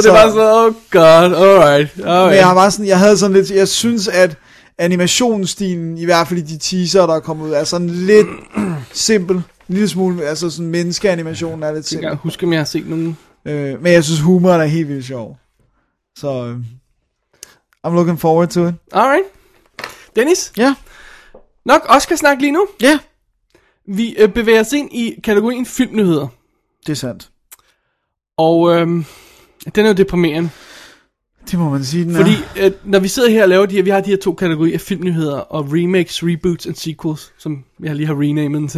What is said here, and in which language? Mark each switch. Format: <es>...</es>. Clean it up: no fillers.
<da>det er bare sådan,</da> <en>oh god, alright.</en> <da>Men jeg har bare sådan, jeg havde sådan lidt, jeg synes, at animationsstilen, i hvert fald i de teaser, der er kommet ud, er sådan lidt simpel, en lille smule, altså sådan menneskeanimationen er lidt simpel. Jeg kan huske, om jeg har set nogen. Men jeg synes, humoren er helt vildt sjov.</da> <en>Så, I'm looking forward to it. Alright. Dennis?</en> <da>Ja? Nok Oscar snak lige nu. Ja. Vi bevæger os ind i kategorien filmnyheder. Det er sandt. Og den er jo deprimerende. Det må man sige, den fordi, er. Fordi når vi sidder her og laver de her, vi har de her to kategorier, filmnyheder og</da> <en>remakes, reboots and sequels,</en> <da>som jeg lige har renamed til.</da>